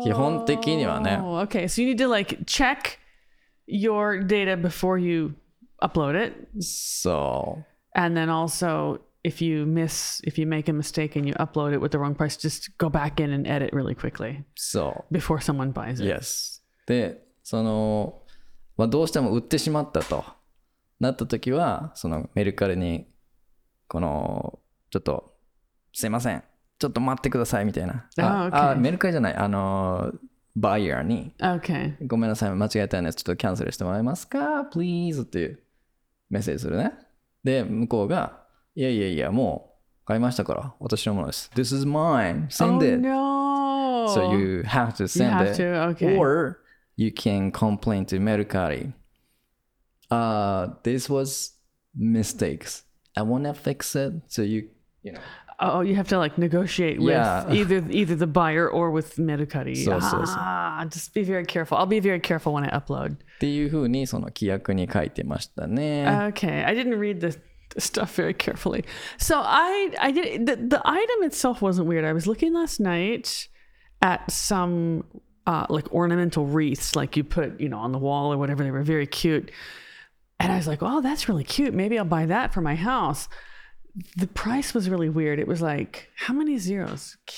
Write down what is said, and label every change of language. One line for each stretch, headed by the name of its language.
Japanese: 基本的にはね。
English: Okay, so you need to like check your data before you upload it. So. And then also, if you make a mistake and you upload it with the wrong price, just go back in and edit really quickly. So. Before someone buys it. Yes.
Japanese: で、その、まあ、どうしても売ってしまったとなった時は、そのメルカリにこのちょっとすいません。ちょっと待ってくださいみたいな。
English: Oh, okay.
Japanese: あ、メルカリじゃない。あの、バイヤーに。
English: Okay.
Japanese: ごめんなさい。間違えたんです。ちょっとキャンセルしてもらえますか ?Please! っていうメッセージするね。で、向こうが、いやいやいや、もう買いましたから。
English: 私のものです。 This is mine! Send it! Oh, no! So you have to send it. You have to, okay. Or you can complain to メルカリ。This was mistakes. I wanna fix it. So you, you know. Oh, you have to like negotiate with either the buyer or with Mercari.
Japanese: そうそうそう。
English: Just be very careful. I'll be very careful when I upload.
Japanese: っていうふうにその規約に書いてましたね。
English: Okay, I didn't read the stuff very carefully. So I did, the item itself wasn't weird. I was looking last night at some like ornamental wreaths like you put, you know, on the wall or whatever. They were very cute. And I was like, oh, that's really cute. Maybe I'll buy that for my house. The price was really weird. It was like, how many zeros?